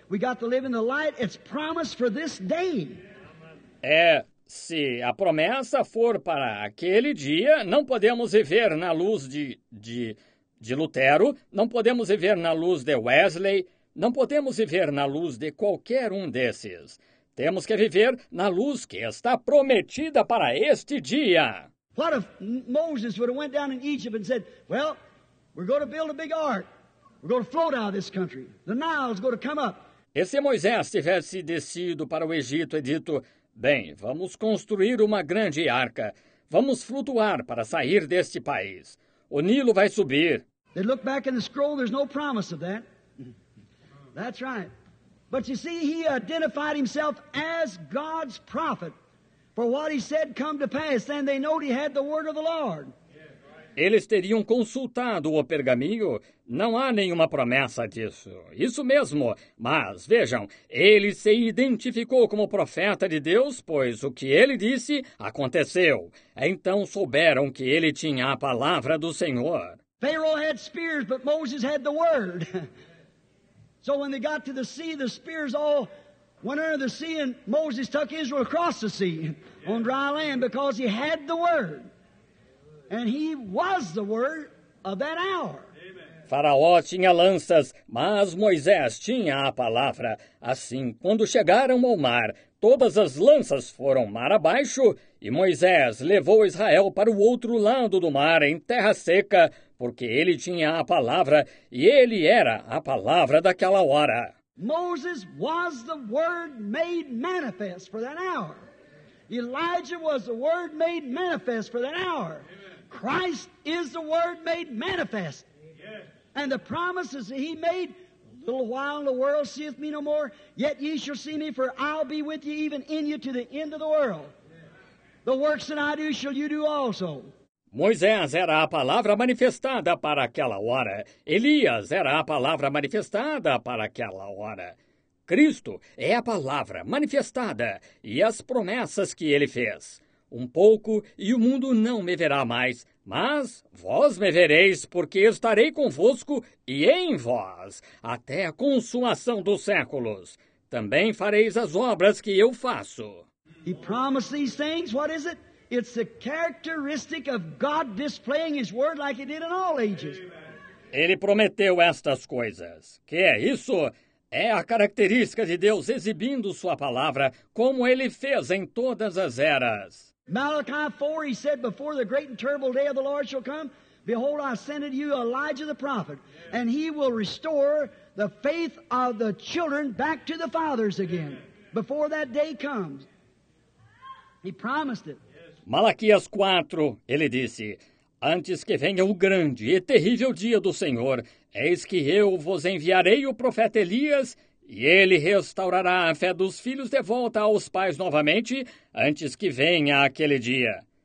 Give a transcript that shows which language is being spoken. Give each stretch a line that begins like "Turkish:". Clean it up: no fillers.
English: We got to live in the light it's promised for this day.
Portuguese: É, se a promessa for para aquele dia, não podemos viver na luz de Lutero, não podemos viver na luz de Wesley, não podemos viver na luz de qualquer um desses. Temos que viver na luz que está prometida para este dia.
English: What if Moses would have went down in Egypt and said, well, we're going to build a big ark. We're going to float out of this country. The Nile is going to come up.
Portuguese: E se Moisés tivesse descido para o Egito e dito, bem, vamos construir uma grande arca. Vamos flutuar para sair deste país. O Nilo vai subir.
English: They look back in the scroll, there's no promise of that. That's right. But you see, he identified himself as God's prophet. For what he said come to pass, then they knowed he had the word of the Lord.
Portuguese: Eles teriam consultado o pergaminho, não há nenhuma promessa disso. Isso mesmo, mas vejam, ele se identificou como profeta de Deus, pois o que ele disse aconteceu. Então souberam que ele tinha a palavra do Senhor.
English: Pharaoh had spears, but Moses had the word. So when they got to the sea, the spears all went under the sea, and Moses took Israel across the sea on dry land because he had the word. And he was the word of that hour.
Portuguese: Faraó tinha lanças, mas Moisés tinha a palavra. Assim, quando chegaram ao mar, todas as lanças foram mar abaixo, e Moisés levou Israel para o outro lado do mar, em terra seca, porque ele tinha a palavra, e ele era a palavra daquela hora.
English: Moses was the word made manifest for that hour. Elijah was the word made manifest for that hour. Christ is the word made manifest. Yes. And the promises that he made, a little while the world seeth me no more, yet ye shall see me, for I'll be with you, even in you to the end of the world. Yes. The works that I do shall you do also.
Portuguese: Moisés era a palavra manifestada para aquela hora. Elias era a palavra manifestada para aquela hora. Cristo é a palavra manifestada e as promessas que ele fez. Um pouco, e o mundo não me verá mais, mas vós me vereis, porque estarei convosco e em vós, até a consumação dos séculos. Também fareis as obras que eu faço.
English: He promised these things, what is it? It's the characteristic of God displaying his word like he did in all ages.
Portuguese: Ele prometeu estas coisas. Que é isso? É a característica de Deus exibindo sua palavra, como ele fez em todas as eras.
English: Malachi 4, he said, before the great and terrible day of the Lord shall come, behold, I send unto you Elijah the prophet, and he will restore the faith of the children back to the fathers again, before that day comes. He promised it.
Portuguese: Malaquias 4, ele disse, antes que venha o grande e terrível dia do Senhor, eis que eu vos enviarei o profeta Elias, e ele restaurará a fé dos filhos de volta aos pais novamente, antes que venha aquele dia.